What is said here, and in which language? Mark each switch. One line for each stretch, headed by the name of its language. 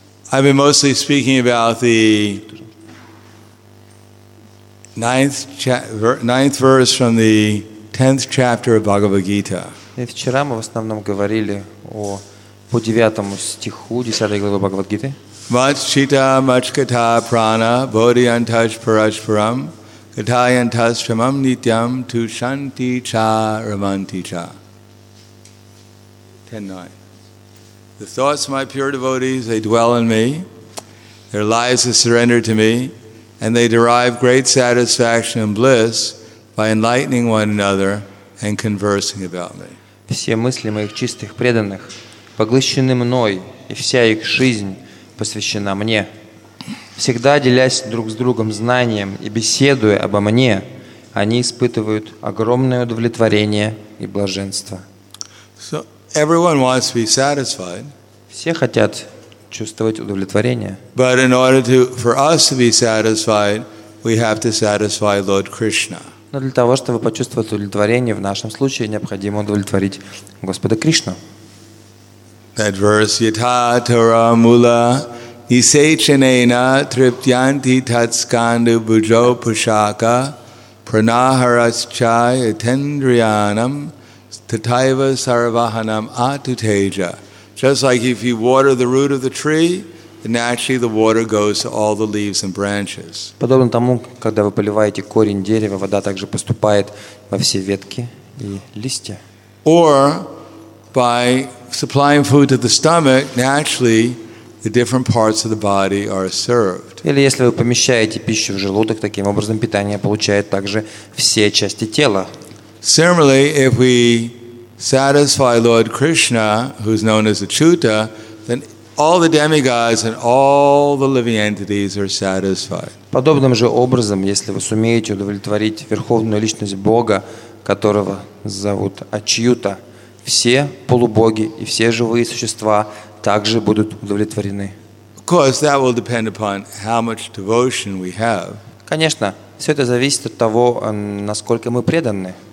English: I've been mostly speaking about the ninth verse from the 10th chapter of Bhagavad Gita.
Russian: И вчера мы в основном говорили о по девятому стиху 10 главы Бхагавад Гиты.
Sanskrit: Мачхита мачката прана боди анташ параспарам катаянтасрамам нитям ту шанти ча раманти ча. 10:9.
English: The thoughts of my pure devotees, they dwell in me. Their lives are surrendered to me, and they derive great satisfaction and bliss by enlightening one another and conversing about me.
Russian: Все мысли моих чистых преданных поглощены мной, и вся их жизнь посвящена мне. Всегда делясь друг с другом знанием и беседуя обо мне, они испытывают огромное удовлетворение и блаженство.
English: So everyone wants to be satisfied.
Russian: Все хотят чувствовать удовлетворение.
English: But in order to, for us to be satisfied, we have to satisfy Lord Krishna.
Russian: Но для того, чтобы почувствовать удовлетворение, в нашем случае необходимо удовлетворить Господа Кришну.
English: That verse,
Sanskrit: yata tara mula nisechanena triptyanti tatskandu bujo pushaka pranaharaschai atendriyanam tataiva sarvahanam atuteja.
English: Just like if you water the root of the tree, then actually the water goes to all the leaves and branches.
Russian: Подобно тому, когда вы поливаете корень дерева, вода также поступает во все ветки и листья.
English: Or by supplying food to the stomach, naturally the different parts of the body are served.
Russian: Или если вы помещаете пищу в желудок, таким образом питание получает также все части тела.
English: Similarly, if we satisfy Lord Krishna, who's known as Achyuta, then all the demigods and all the living entities are satisfied.
Russian: Подобным же образом, если вы сумеете удовлетворить верховную личность Бога, которого зовут Ачьюта, все полубоги и все живые существа также будут удовлетворены.
English: Of course, that will depend upon how much devotion we have.
Russian: Конечно, все это зависит от того, насколько мы преданы.